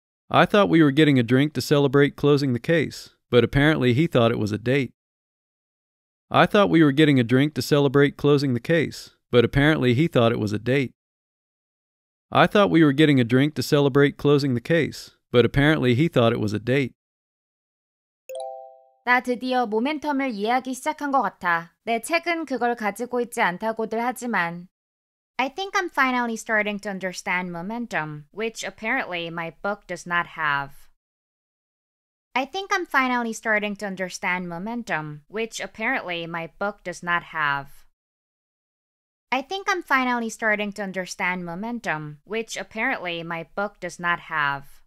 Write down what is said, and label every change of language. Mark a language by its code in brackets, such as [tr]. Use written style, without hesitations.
[en] I thought we were getting a drink to celebrate closing the case, but apparently he thought it was a date. I thought we were getting a drink to celebrate closing the case, but apparently he thought it was a date. I thought we were getting a drink to celebrate closing the case, but apparently he thought it was a date. [ko] 나 드디어 모멘텀을 이해하기 시작한 것 같아. 내 책은 그걸 가지고 있지 않다고들 하지만. [en] I think I'm finally starting to understand momentum, which apparently my book does not have. I think I'm finally starting to understand momentum, which apparently my book does not have. I think I'm finally starting to understand momentum, which apparently my book does not have.